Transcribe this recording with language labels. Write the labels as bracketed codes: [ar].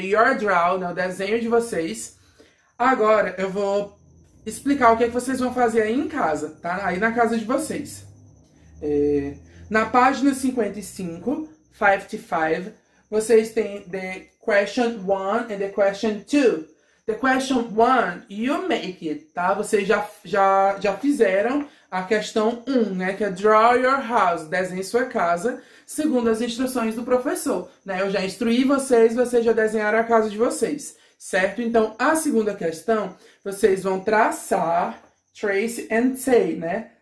[en] The your draw, [pt] né? O desenho de vocês. Agora eu vou explicar o que é que vocês vão fazer aí em casa, tá? Aí na casa de vocês. Na página 55, 55, vocês têm [en] the question 1 and the question 2. The question one, you make it, tá? [pt] Vocês já fizeram a questão um, né? Que é [en] draw your house, [pt] desenhe sua casa, segundo as instruções do professor, né? Eu já instruí vocês, vocês já desenharam a casa de vocês, certo? Então, a segunda questão, vocês vão traçar, [en] trace and say, [pt] né?